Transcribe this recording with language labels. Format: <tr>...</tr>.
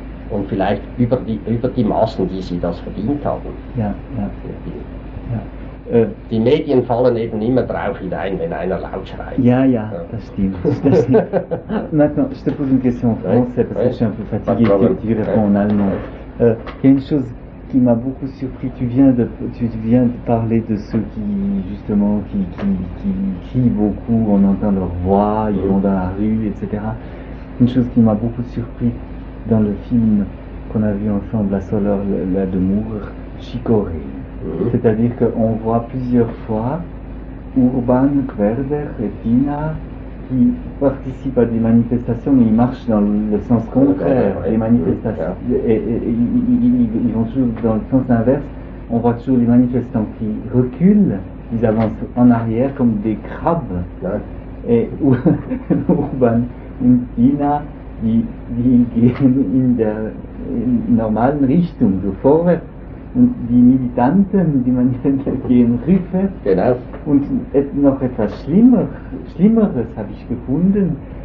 <de>Und vielleicht über die Maßen, die sie das verdient haben. Ja, ja. Die Medien fallen eben immer drauf hinein, wenn einer laut schreit. Ja, ja, das stimmt.</de> <fr>Maintenant, je te pose une question en français, parce que je suis un peu fatigué, tu réponds en allemand. Il y a une chose qui m'a beaucoup surpris, tu viens de parler de ceux qui, justement, qui crient beaucoup, on entend leur voix, ils vont dans la rue, etc. Une chose qui m'a beaucoup surpris dans le film qu'on a vu ensemble, La Soleur, la Demour, Chicorée. C'est-à-dire qu'on voit plusieurs fois Urban, Querder et Tina qui participent à des manifestations, mais ils marchent dans le sens contraire des manifestations. Et ils vont toujours dans le sens inverse. On voit toujours les manifestants qui reculent, ils avancent en arrière comme des crabes.</fr> <de>Et Urban et Tina, die gehen in der normalen Richtung, so vorwärts. Und die Militanten, die Manifestanten gehen rückwärts. Genau. Und noch etwas Schlimmeres habe ich gefunden.</de>